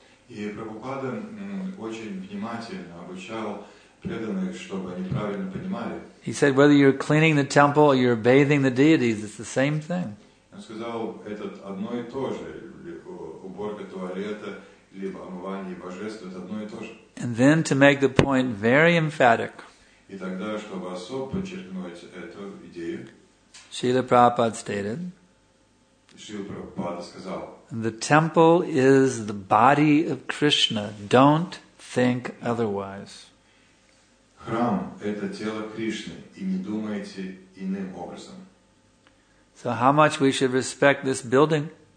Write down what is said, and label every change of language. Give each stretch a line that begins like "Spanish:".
Russian: И Прабхупада очень внимательно обучал преданных, чтобы они правильно понимали.
English: He said, whether you're cleaning the temple or you're bathing the deities, it's the same thing.
Russian: Он сказал, это одно и то же, уборка туалета либо омывание божеств, это одно и то же.
English: And then to make the point very emphatic.
Russian: И тогда, чтобы особо подчеркнуть эту идею,
English: Srila Prabhupada stated,
Russian: Srila Prabhupada сказал,
English: the temple is the body of Krishna. Don't think otherwise.
Russian: Храм – это тело Кришны, и не думайте иным образом.
English: So how much we should respect this building?